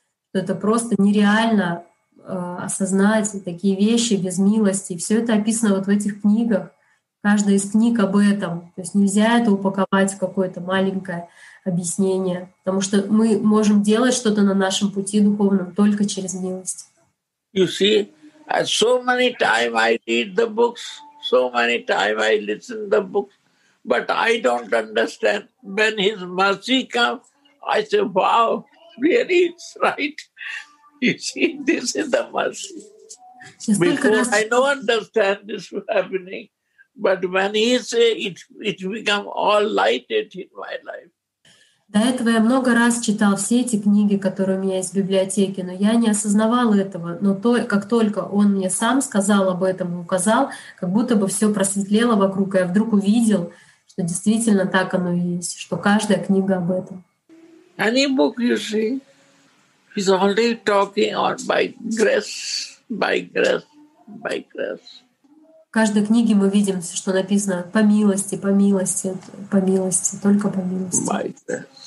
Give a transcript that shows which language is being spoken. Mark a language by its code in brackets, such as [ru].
[ru] Что это просто нереально осознать такие вещи без милости. Все это описано вот в этих книгах, каждая из книг об этом. То есть нельзя это упаковать в какое-то маленькое объяснение, потому что мы можем делать что-то на нашем пути духовном только через милость. [en] You see? And so many times I read the books, so many times I listen to the books, but I don't understand. When his mercy comes, I say, wow, really, it's right. You see, this is the mercy. Before, I don't understand this happening, but when he says it, it becomes all lighted in my life. [ru] До этого я много раз читал все эти книги, которые у меня есть в библиотеке, но я не осознавал этого. Но то, как только он мне сам сказал об этом и указал, как будто бы все просветлело вокруг, и я вдруг увидел, что действительно так оно и есть, что каждая книга об этом. [en] Any book you see is only talking on by grace. [ru] В каждой книге мы видим, что написано по милости, только по милости.